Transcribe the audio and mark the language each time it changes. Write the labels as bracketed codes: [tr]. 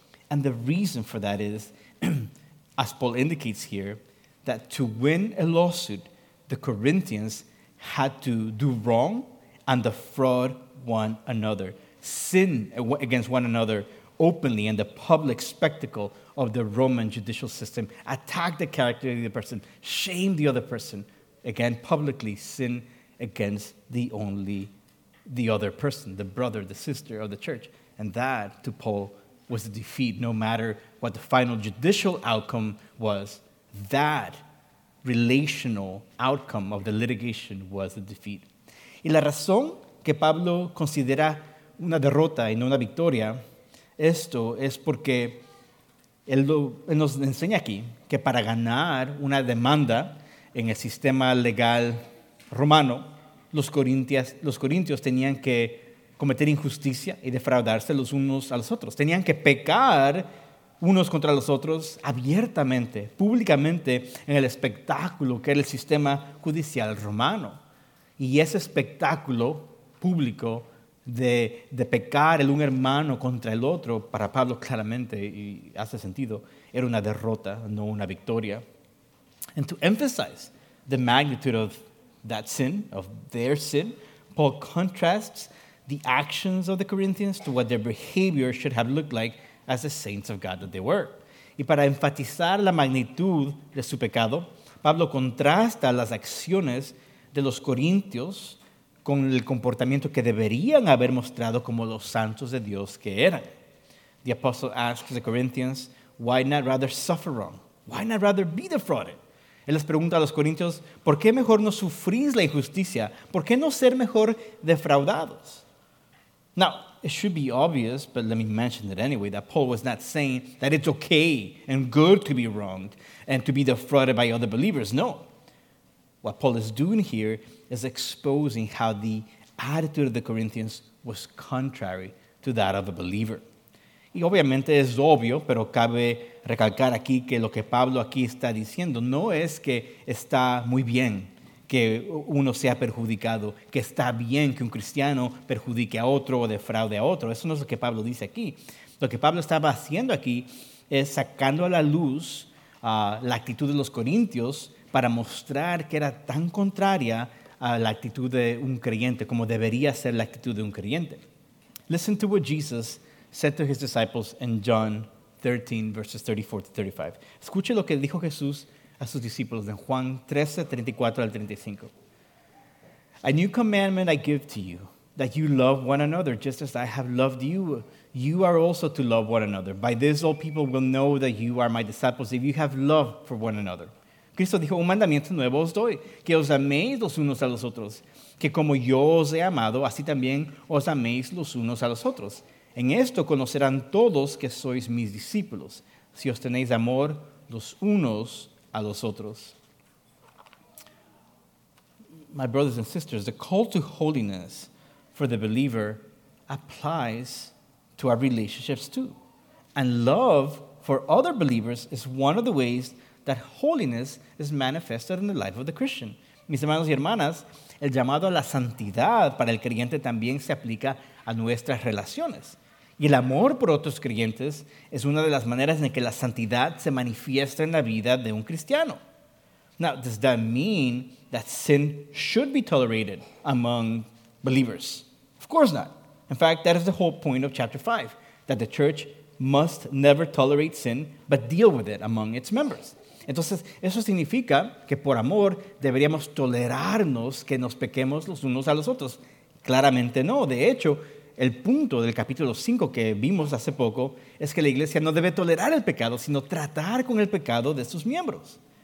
[en] And the reason for that is, as Paul indicates here, that to win a lawsuit, the Corinthians had to do wrong and defraud one another, sin against one another openly in the public spectacle of the Roman judicial system, attack the character of the person, shame the other person, again, publicly sin against the other person, the brother, the sister of the church. And that, to Paul, was a defeat. No matter what the final judicial outcome was, that relational outcome of the litigation was a defeat. [es] Y la razón que Pablo considera una derrota y no una victoria, esto es porque él nos enseña aquí que para ganar una demanda en el sistema legal romano, los corintios tenían que cometer injusticia y defraudarse los unos a los otros. Tenían que pecar unos contra los otros abiertamente, públicamente, en el espectáculo que era el sistema judicial romano. Y ese espectáculo público de pecar el un hermano contra el otro, para Pablo claramente, y hace sentido, era una derrota, no una victoria. [en] And to emphasize the magnitude of that sin, of their sin, Paul contrasts the actions of the Corinthians to what their behavior should have looked like as the saints of God that they were. [es] Y para enfatizar la magnitud de su pecado, Pablo contrasta las acciones de los corintios con el comportamiento que deberían haber mostrado como los santos de Dios que eran. [en] The apostle asks the Corinthians, why not rather suffer wrong? Why not rather be defrauded? [es] Él les pregunta a los corintios, ¿por qué mejor no sufrir la injusticia? ¿Por qué no ser mejor defraudados? [en] Now, it should be obvious, but let me mention it anyway, that Paul was not saying that it's okay and good to be wronged and to be defrauded by other believers. No. What Paul is doing here is exposing how the attitude of the Corinthians was contrary to that of a believer. [es] Y obviamente es obvio, pero cabe recalcar aquí que lo que Pablo aquí está diciendo no es que está muy bien que uno sea perjudicado, que está bien que un cristiano perjudique a otro o defraude a otro. Eso no es lo que Pablo dice aquí. Lo que Pablo estaba haciendo aquí es sacando a la luz la actitud de los corintios para mostrar que era tan contraria a la actitud de un creyente como debería ser la actitud de un creyente. [en] Listen to what Jesus said to his disciples in John 13, verses 34 to 35. [es] Escuche lo que dijo Jesús a sus discípulos en Juan 13, 34 al 35. [en] A new commandment I give to you, that you love one another just as I have loved you. You are also to love one another. By this all people will know that you are my disciples if you have love for one another. [es] Cristo dijo, un mandamiento nuevo os doy, que os améis los unos a los otros, que como yo os he amado, así también os améis los unos a los otros. En esto conocerán todos que sois mis discípulos, si os tenéis amor los unos a los otros. [en] My brothers and sisters, the call to holiness for the believer applies to our relationships too. And love for other believers is one of the ways that holiness is manifested in the life of the Christian. [es] Mis hermanos y hermanas, el llamado a la santidad para el creyente también se aplica a nuestras relaciones. Y el amor por otros creyentes es una de las maneras en que la santidad se manifiesta en la vida de un cristiano. [en] Now, does that mean that sin should be tolerated among believers? Of course not. In fact, that is the whole point of chapter 5, that the church must never tolerate sin, but deal with it among its members. [es] Entonces, eso significa que por amor deberíamos tolerarnos que nos pequemos los unos a los otros. Claramente no. De hecho, el punto del capítulo 5 que vimos hace poco es que la iglesia no debe tolerar el pecado, sino tratar con el pecado de sus miembros.